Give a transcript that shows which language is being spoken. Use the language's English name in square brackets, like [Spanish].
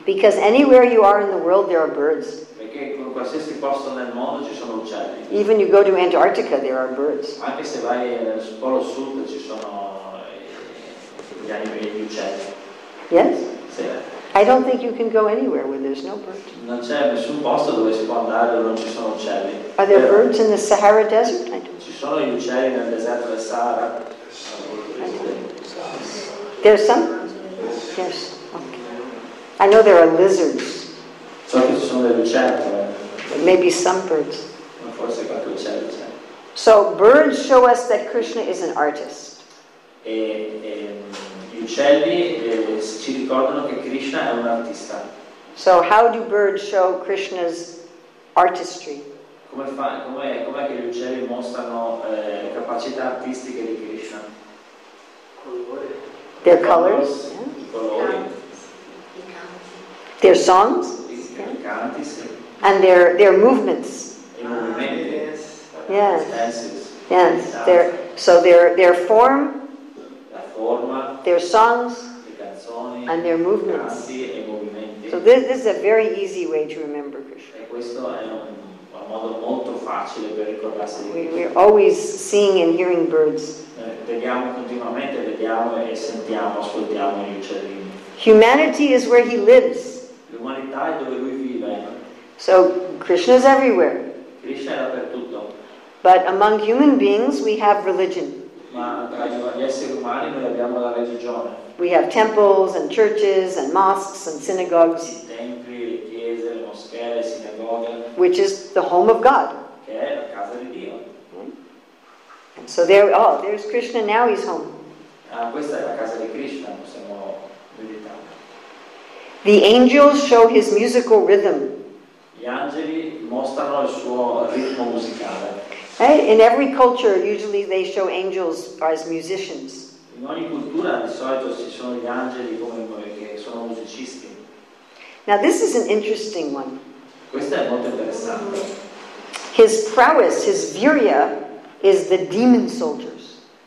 [English] Because anywhere you are in the world, there are birds. [Italian] Perché in qualsiasi posto nel mondo ci sono uccelli. [English] Even you go to Antarctica, there are birds. [Italian] Anche se vai nel Polo Sud ci sono gli animali, gli uccelli. [English] Yes. [Italian] Sì. [English] I don't think you can go anywhere where there's no birds. [Italian] Non c'è nessun posto dove si può andare dove non ci sono uccelli. [English] Are there birds in the Sahara Desert? I don't. [Italian] Ci sono gli uccelli nel deserto del Sahara? [English] There's some? Yes. Okay. I know there are lizards. [Italian] So che ci sono degli uccelli. [English] Maybe some birds. [Italian] Forse qualche uccello c'è. [English] So birds show us that Krishna is an artist. [Italian] Gli uccelli ci ricordano che Krishna è un artista. [English] So how do birds show Krishna's artistry? [Italian] Com'è che gli uccelli mostrano capacità artistiche di Krishna? Colori. [English] Their colors. [Italian] Colori. [English] Their songs. [Italian] Canti, sì. [English] And their movements. [Italian] I movimenti. [English] Yes. Yes. Yes. Their form. [Italian] La forma. [English] Their songs. [Italian] Canzoni, [English] and their movements. [Italian] Canti, [English] so this is a very easy way to remember Krishna. [Italian] E questo è un modo molto facile per ricordarsi di Krishna. [English] We're always seeing and hearing birds. [Italian] Vediamo continuamente, vediamo e sentiamo, ascoltiamo gli uccellini. [English] Humanity is where he lives. [Italian] L'umanità è dove lui vive. [English] So Krishna is everywhere. [Italian] Krishna è dappertutto. [English] But among human beings we have religion. [Italian] Ma tra gli esseri umani noi abbiamo la religione. [English] We have temples and churches and mosques and synagogues. [Italian] I templi, le chiese, le moschee, le sinagoghe. [English] Which is the home of God. [Italian] Che è la casa di Dio. [English] And so there's Krishna, now he's home. [Italian] Questa è la casa di Krishna, possiamo meditare. [English] The angels show his musical rhythm. [Italian] Gli angeli mostrano il suo ritmo musicale. [English] Hey, in every culture, usually they show angels as musicians. [Italian] In ogni cultura di solito ci sono gli angeli che sono musicisti. [English] Now this is an interesting one. [Italian] Questa è molto interessante. [English] His prowess, his virya, is the demon soldiers.